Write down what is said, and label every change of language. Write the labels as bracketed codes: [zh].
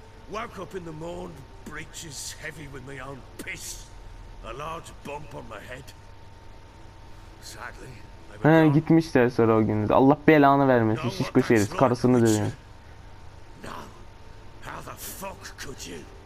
[en] Woke up in the morn, breeches heavy with my own piss. A large bump on my head. Sadly, [tr] he gitmiş der sonra o gün. Allah belanı vermesin şişko şerif, karısını dövüyor. [en] No, how the fuck could you?